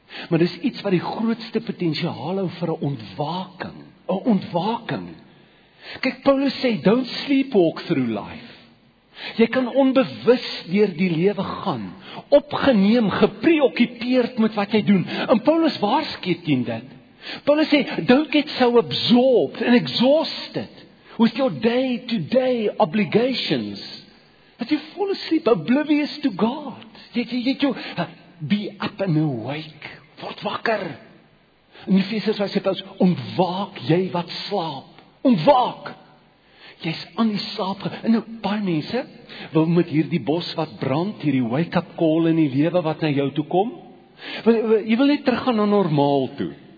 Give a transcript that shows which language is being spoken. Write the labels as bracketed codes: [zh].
[af] Maar dis iets wat die grootste potensiaal hou vir 'n ontwaking. 'N ontwaking. Kyk, Paulus sê, [en] don't sleepwalk through life. [af] Jy kan onbewus deur die lewe gaan, opgeneem, gepreokkupeerd met wat jy doen. En Paulus waarsku teen dit. [en] Paulus sê, don't get so absorbed and exhausted with your day-to-day obligations that you fall asleep oblivious to God. Be up and awake. [af] Word wakker. In Efesiërs sê Paulus, ontwaak jy wat slaap. Ontwaak. Jy's aan die slaap. En nou, baie mense wil met hierdie bos wat brand, hierdie wake-up call in die lewe wat na jou toe kom. Jy wil net teruggaan na normaal toe.